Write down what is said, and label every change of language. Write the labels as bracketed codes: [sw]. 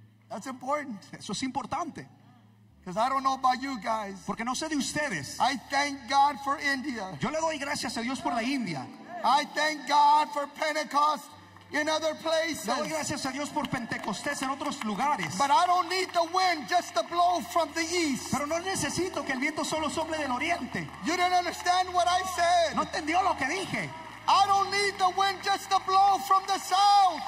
[en] That's important. [es] Eso es importante. [en] Because I don't know about you guys. [es] Porque no sé de ustedes. [en] I thank God for India. [es] Yo le doy gracias a Dios por la India. [en] I thank God for Pentecost. In other places. [es] Doy gracias a Dios por Pentecostés en otros lugares. [en] But I don't need the wind just to blow from the east. [es] Pero no necesito que el viento solo sople del oriente. [en] You don't understand what I said. [es] No entendió lo que dije. [en] I don't need the wind just to blow from the south.